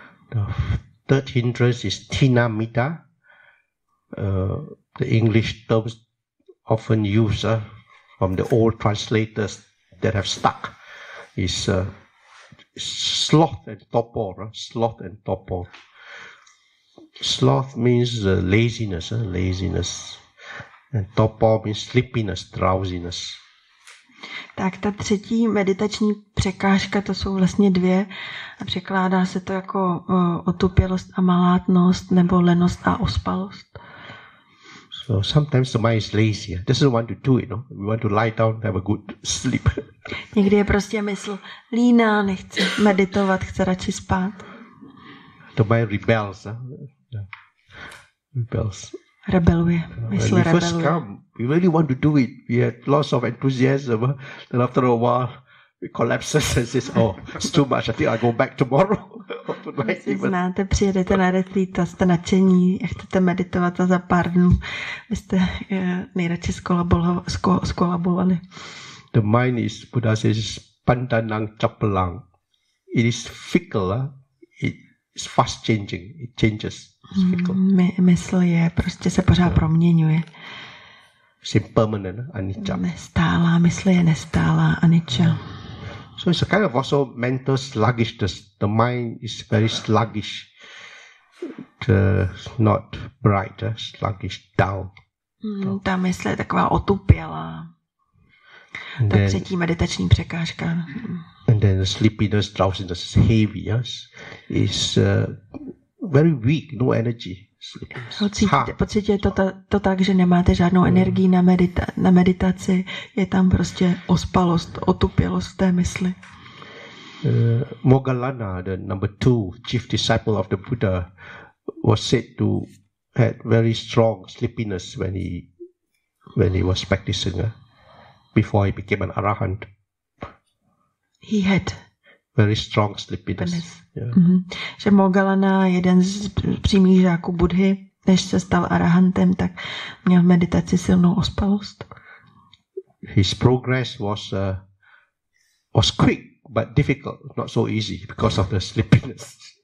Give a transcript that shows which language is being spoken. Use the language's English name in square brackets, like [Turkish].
[English] The third hindrance is tinamita. The English terms often used from the old translators that have stuck. Is sloth and torpor. Sloth and torpor. Sloth means laziness, laziness. And torpor means sleepiness, drowsiness. [Czech] Tak ta třetí meditační překážka, to jsou vlastně dvě, a překládá se to jako otupělost a malátnost nebo lenost a ospalost. [English] So sometimes the mind is lazy. This doesn't want to do it, no? We want to lie down, have a good sleep. [Czech] Někdy je prostě mysl líná, nechce meditovat, chce radši spát. [English] The mind rebels. Rebels. [Czech] Rebeluje. Mysl [English] when we [Czech] rebeluje. [English] First come, we really want to do it. We had lots of enthusiasm. Then after a while, we collapse and says, oh, it's too much. I think I'll go back tomorrow. [Czech] Znáte, přijedete na retreat a jste nadšení a chcete meditovat a za pár dnů byste nejradši skolabovali. [English] The mind is, Buddha says, pandanang chapalang. It is fickle. It is fast changing. It changes. It's fickle. [Czech] Mysl je, prostě se pořád proměňuje. [English] It's impermanent, anicca. [Czech] Nestálá, mysl je nestálá, anicca. [English] So it's a kind of also mental sluggishness. The mind is very sluggish, not bright, sluggish, dull. [Czech] Ta mysl je taková otupělá. Ta třetí meditační překážka. [English] And then the sleepiness, drowsiness is heavy, yes? It's very weak, no energy. [Czech] Pocítíte to tak, že nemáte žádnou energii na meditaci. Je tam prostě ospalost, otupělost té mysli. [English] Moggallana, the number two, chief disciple of the Buddha, was said to had very strong sleepiness when he was practicing, before he became an arahant. He had very strong sleepiness. Yeah. Mm-hmm. [Czech] Že Moggallana, jeden z přímých žáků Budhy, než se stal arahantem, tak měl v meditaci silnou ospalost. [English] His progress was quick, but difficult, not so easy because of the sleepiness.